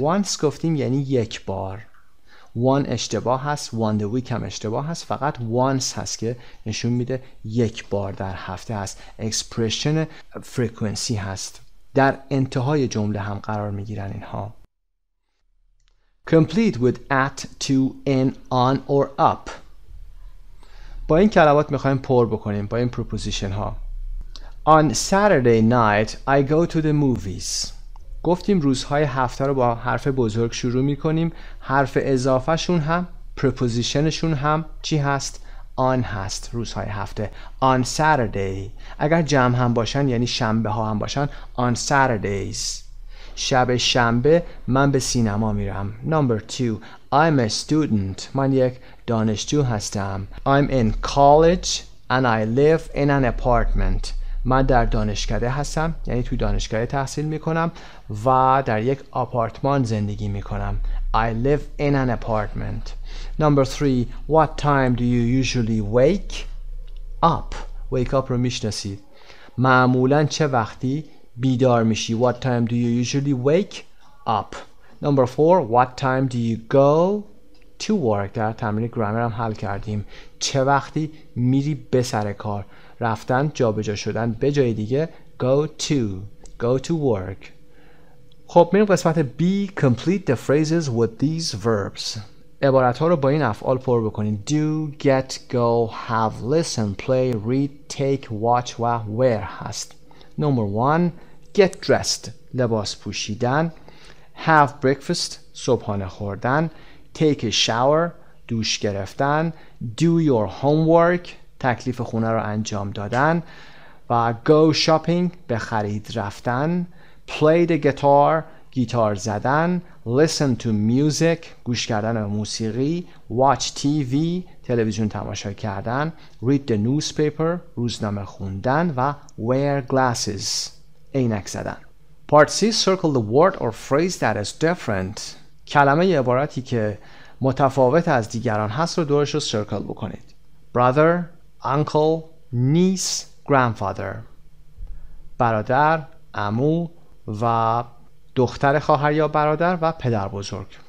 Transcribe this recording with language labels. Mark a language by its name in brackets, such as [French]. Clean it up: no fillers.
[Persian] once گفتیم یعنی یک بار، one اشتباه هست، one a week هم اشتباه هست، فقط once هست که نشون میده یک بار در هفته هست، expression frequency هست، در انتهای جمله هم قرار میگیرن اینها. [English] complete with at، to، in، on or up. [Persian] با این کلمات میخوایم پر بکنیم، با این پروپوزیشن ها. [English] on Saturday night I go to the movies. [Persian] گفتیم روزهای هفته رو با حرف بزرگ شروع میکنیم، حرف اضافه شون هم، پروپوزیشنشون هم چی هست؟ on هست. روزهای هفته on Saturday، اگر جمع هم باشن یعنی شنبه ها هم باشن، on Saturdays، شب شنبه من به سینما میرم. [English] number 2، I'm a student، [Persian] من یک دانشجو هستم. [English] I'm in college and I live in an apartment، [Persian] من در دانشکده هستم، یعنی توی دانشگاه تحصیل میکنم و در یک آپارتمان زندگی میکنم. [English] I live in an apartment. number 3، what time do you usually wake up؟ wake up [Persian] رو میشناسید، معمولا چه وقتی بیدار میشی. [English] what time do you usually wake up. number 4، what time do you go to work. [Persian] در تمرین گرامر هم حل کردیم، چه وقتی میری به سر کار، رفتن، جا به جا شدن به جای دیگه، go to. [English] go to work. [Persian] خب میریم قسمت B, [English] complete the phrases with these verbs. [Persian] عبارت ها رو با این افعال پر بکنید. [English] Do, get, go, have, listen, play, read, take, watch و wear هست. Number one, get dressed, [Persian] لباس پوشیدن. [English] Have breakfast, [Persian] صبحانه خوردن. [English] Take a shower, [Persian] دوش گرفتن. [English] Do your homework, [Persian] تکلیف خونه رو انجام دادن. و [English] go shopping, [Persian] به خرید رفتن. [English] Play the guitar, [Persian] گیتار زدن. [English] Listen to music, [Persian] گوش کردن به موسیقی. [English] Watch TV, [Persian] تلویزیون تماشا کردن. [English] Read the newspaper, [Persian] روزنامه خوندن. و [English] wear glasses, [Persian] عینک زدن. [English] Part C, circle the word or phrase that is different. [Persian] کلمه یه عبارتی که متفاوت از دیگران هست رو دورش رو سرکل بکنید. [English] Brother, uncle, niece, grandfather. [Persian] برادر، عمو و دختر خواهر یا برادر و پدر بزرگ.